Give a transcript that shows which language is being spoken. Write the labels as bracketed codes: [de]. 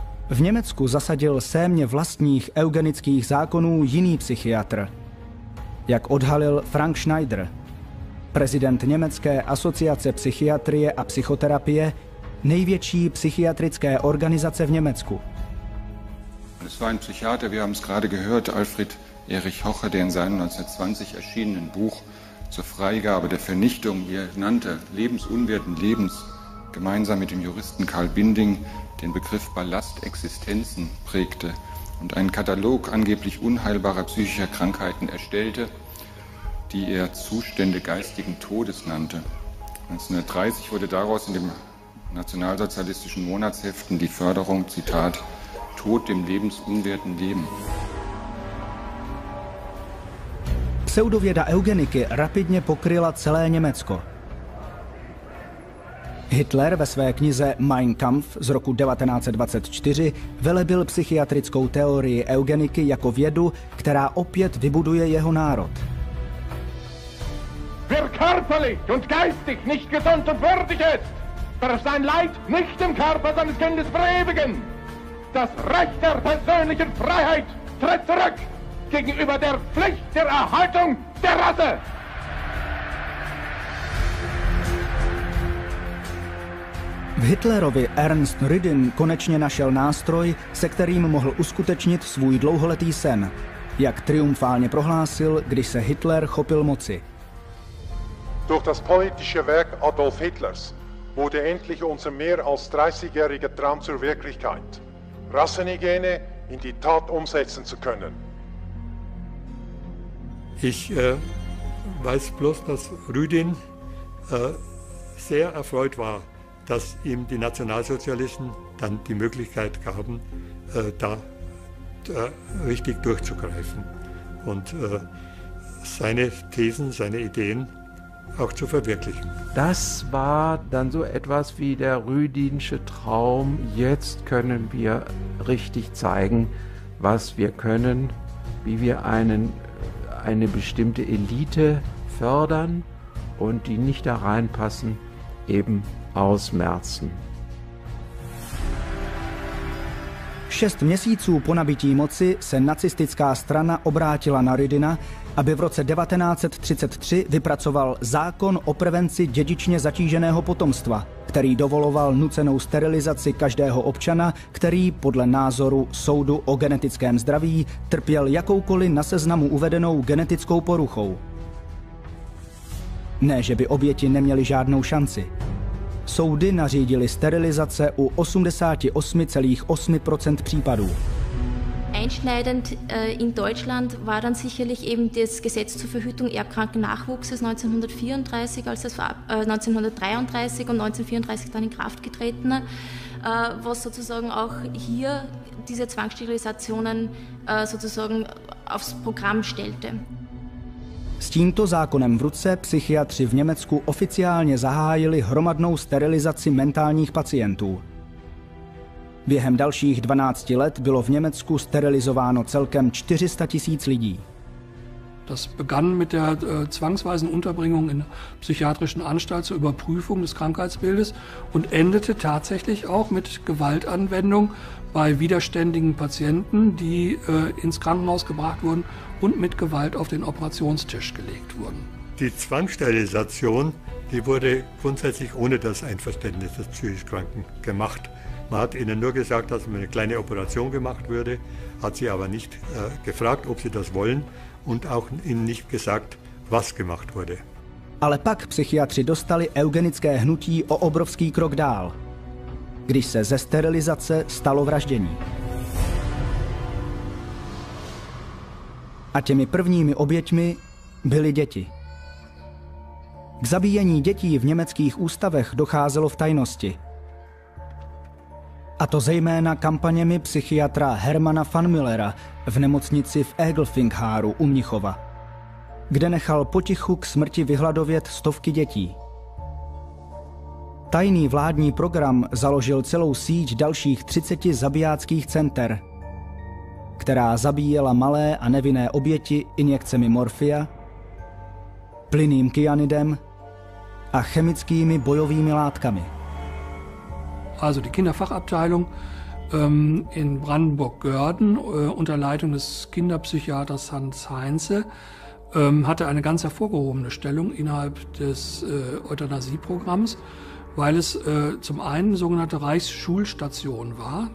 [cs] V Německu zasadil sémě vlastních eugenických zákonů jiný psychiatr. Jak odhalil Frank Schneider, prezident Německé asociace psychiatrie a psychoterapie, největší psychiatrické organizace v Německu. [de] Es war ein Psychiater, wir haben es gerade gehört, Alfred Erich Hoche, der in seinem 1920 erschienenen Buch zur Freigabe der Vernichtung, wie er nannte, lebensunwerten Lebens, gemeinsam mit dem Juristen Karl Binding, den Begriff Ballastexistenzen prägte und einen Katalog angeblich unheilbarer psychischer Krankheiten erstellte, die er Zustände geistigen Todes nannte. 1930 wurde daraus in den nationalsozialistischen Monatsheften die Förderung, Zitat, Tod dem lebensunwerten Leben. [cs] Pseudověda eugeniky rapidně pokryla celé Německo. Hitler ve své knize Mein Kampf z roku 1924 velebil psychiatrickou teorii eugeniky jako vědu, která opět vybuduje jeho národ. [de] Wer körperlich und geistig nicht gesund und würdig ist, der sein Leid nicht im Körper seines Kindes verewigen. Das Recht der persönlichen Freiheit tritt zurück gegenüber der Pflicht zur Erhaltung der Rasse. [cs] V Hitlerovi Ernst Rüdin konečně našel nástroj, se kterým mohl uskutečnit svůj dlouholetý sen, jak triumfálně prohlásil, když se Hitler chopil moci. [de] Durch das politische Werk Adolf Hitlers wurde endlich unser mehr als 30-jähriger Traum zur Wirklichkeit, Rassenhygiene in die Tat umsetzen zu können. Ich weiß bloß, dass Rüdin sehr erfreut war, dass ihm die Nationalsozialisten dann die Möglichkeit gaben, da richtig durchzugreifen und seine Thesen, seine Ideen auch zu verwirklichen. Das war dann so etwas wie der Rüdinsche Traum. Jetzt können wir richtig zeigen, was wir können, wie wir eine bestimmte Elite fördern und die nicht da reinpassen, eben ausmerzen. [cs] Šest měsíců po nabití moci se nacistická strana obrátila na Rüdina, aby v roce 1933 vypracoval zákon o prevenci dědičně zatíženého potomstva, který dovoloval nucenou sterilizaci každého občana, který podle názoru soudu o genetickém zdraví trpěl jakoukoliv na seznamu uvedenou genetickou poruchou. Ne, že by oběti neměly žádnou šanci. Soudy nařídily sterilizace u 88,8% případů. [de] Einschneidend in Deutschland war dann sicherlich eben das Gesetz zur Verhütung erbkranken Nachwuchses 1934, als es 1933 und 1934 dann in Kraft getreten. was sozusagen auch hier diese Zwangssterilisationen sozusagen aufs Programm stellte. [cs] S tímto zákonem v ruce psychiatři v Německu oficiálně zahájili hromadnou sterilizaci mentálních pacientů. Během dalších 12 let bylo v Německu sterilizováno celkem 400 tisíc lidí. [de] Das begann mit der zwangsweisen Unterbringung in psychiatrischen Anstalt zur Überprüfung des Krankheitsbildes und endete tatsächlich auch mit Gewaltanwendung bei widerständigen Patienten, die ins Krankenhaus gebracht wurden und mit Gewalt auf den Operationstisch gelegt wurden. Die Zwangssterilisation, die wurde grundsätzlich ohne das Einverständnis des psychisch Kranken gemacht. Man hat ihnen nur gesagt, dass eine kleine Operation gemacht würde, hat sie aber nicht gefragt, ob sie das wollen. Und auch ihnen nicht gesagt, was gemacht wurde. [cs] Ale pak psychiatři dostali eugenické hnutí o obrovský krok dál, když se ze sterilizace stalo vraždění. A těmi prvními oběťmi byly děti. K zabíjení dětí v německých ústavech docházelo v tajnosti. A to zejména kampaněmi psychiatra Hermana van Müllera v nemocnici v Egelfingháru u Mnichova, kde nechal potichu k smrti vyhladovět stovky dětí. Tajný vládní program založil celou síť dalších 30 zabijáckých center, která zabíjela malé a nevinné oběti injekcemi morfia, plynným kyanidem a chemickými bojovými látkami. [de] Also die Kinderfachabteilung in Brandenburg-Görden unter Leitung des Kinderpsychiaters Hans Heinze hatte eine ganz hervorgehobene Stellung innerhalb des Euthanasieprogramms, weil es zum einen sogenannte Reichsschulstation war.